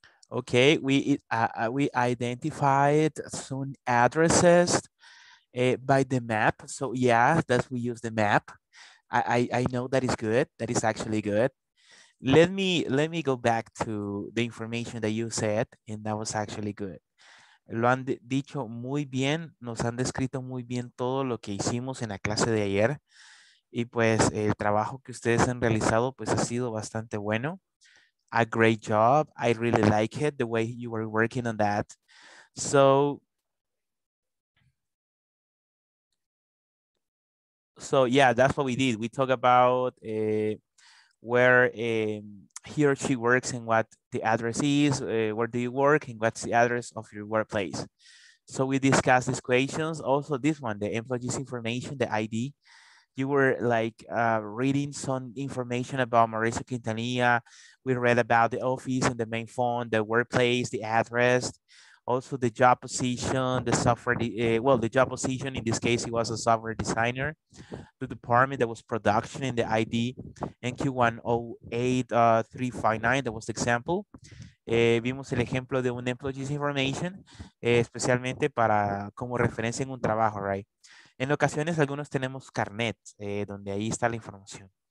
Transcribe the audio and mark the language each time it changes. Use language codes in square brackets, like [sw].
[en] Okay, we identified some addresses by the map. So yeah, that we use the map. I know that is good. That is actually good. Let me go back to the information that you said, and that was actually good. [es] Lo han dicho muy bien. Nos han descrito muy bien todo lo que hicimos en la clase de ayer. Y pues el trabajo que ustedes han realizado pues ha sido bastante bueno. [en] A great job. I really like it, the way you were working on that. So yeah, that's what we did. We talk about where he or she works and what the address is, where do you work and what's the address of your workplace. So we discussed these questions. Also this one, the employee's information, the ID. You were like reading some information about Mauricio Quintanilla. We read about the office and the main phone, the workplace, the address, also the job position, the software, the job position, in this case, he was a software designer, the department that was production in the ID, NQ108359, that was the example. [es] Vimos el ejemplo de un employee's information, especialmente para como referencia en un trabajo, right? En ocasiones, algunos tenemos carnet, donde ahí está la información.